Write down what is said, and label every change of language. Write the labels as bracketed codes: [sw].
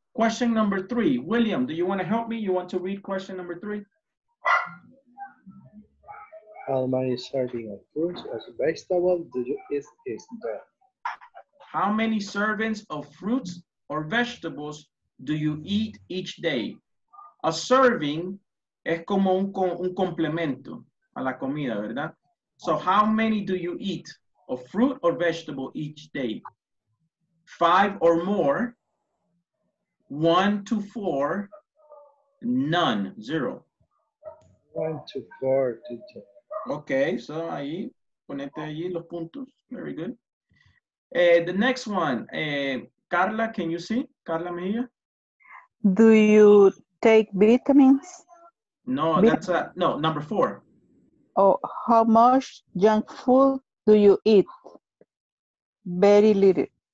[en] Question number three. William, do you want to help me? You want to read question number three? How many servings of fruits as vegetables do you eat there? How many servings of fruits or vegetables do you eat each day? A serving [es] es como un complemento a la comida, ¿verdad? [en] So how many do you eat of fruit or vegetable each day? 5 or more, 1 to 4, none, 0. 1 to 4, teacher. [es] Okay, so ahí, ponete ahí los puntos, [en] very good. The next one, Carla, can you see? Carla Mejia? Do you take vitamins? No, that's no, number four. Oh, how much junk food do you eat? Very little.